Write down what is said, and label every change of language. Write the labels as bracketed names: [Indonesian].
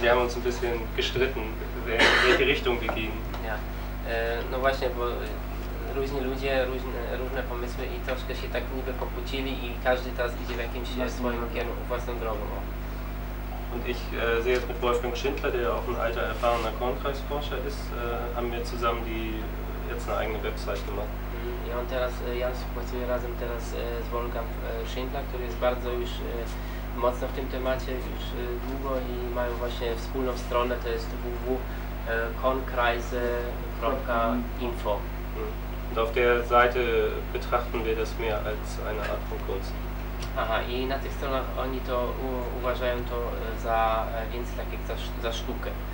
[German] Wir haben uns ein bisschen gestritten, in welche Richtung wir gehen. [Polish] Ja, no właśnie, bo różni ludzie, różne pomysły i troszkę się tak niby pokłócili i każdy teraz idzie w jakimś swoim kierunku, własną drogą. [German] Und ich sehe jetzt mit Wolfgang Schindler, der auch ein alter, erfahrener Kornkreisforscher ist, haben wir zusammen die jetzt eine eigene Website gemacht. [Polish] Ja, [German] und [Polish] teraz, Jan współpracuje razem teraz z Wolfgang Schindler, który jest bardzo już mocno w tym temacie, już długo i mają właśnie wspólną stronę, to jest www.kornkreise.info. [German] Und auf der Seite betrachten wir das mehr als eine Art von Kunst. [Polish] Aha, i na tych stronach oni to uważają to za więc tak jak za sztukę.